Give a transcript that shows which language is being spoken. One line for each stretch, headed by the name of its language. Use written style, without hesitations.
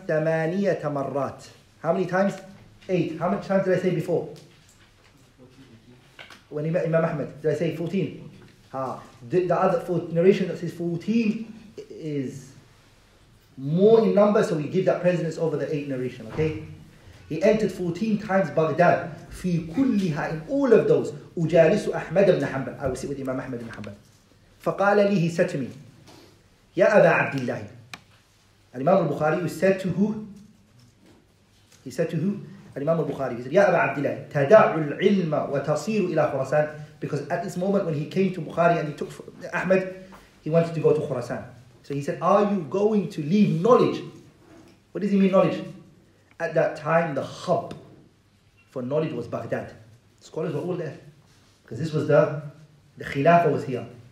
Arabic: ثَمَانِيَ تَمَرَّاتِ
English: How many times? Eight. How many times did I say before? When he met Imam Ahmed, did I say 14? The other narration that says 14 is more in number, so we give that precedence over the eight narration, okay? He entered 14 times Baghdad.
Arabic: في كلها,
English: in all of those,
Arabic: أجالس أحمد بن حنبل.
English: I will sit with Imam Ahmed بن حنبل.
Arabic: فقال لي,
English: he said to me,
Arabic: يا أبا عبد الله.
English: Imam al-Bukhari said to who? He said to who? Imam al-Bukhari. He said,
Arabic: يا أبا عبد الله, تدع العلم وتصير إلى خراسان.
English: Because at this moment when he came to Bukhari and he took Ahmed, he wanted to go to Khurasan. So he said, are you going to leave knowledge? What does he mean knowledge? At that time, the hub for knowledge was Baghdad. Scholars were all there. Because this was the Khilafah was here.